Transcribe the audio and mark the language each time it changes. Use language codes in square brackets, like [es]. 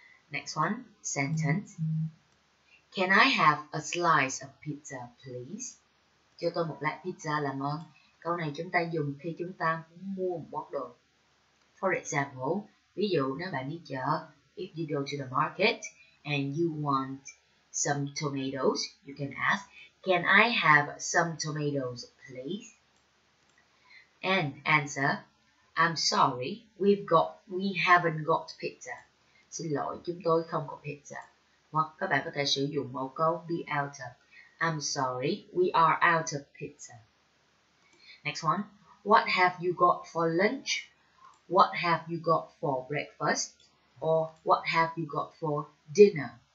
[en] Next one, sentence. Can I have a slice of pizza, please? [vi] Cho tôi một lát pizza làm ơn. Câu này chúng ta dùng khi chúng ta muốn mua một món đồ. [en] For example, [vi] ví dụ nếu bạn đi chợ, [en] if you go to the market and you want some tomatoes, you can ask, can I have some tomatoes, please? And answer, I'm sorry, we haven't got pizza. [vi] Xin lỗi, chúng tôi không có pizza. Hoặc các bạn có thể sử dụng mẫu câu be out of. [en] I'm sorry, we are out of pizza. Next one. What have you got for lunch? What have you got for breakfast? Or what have you got for dinner?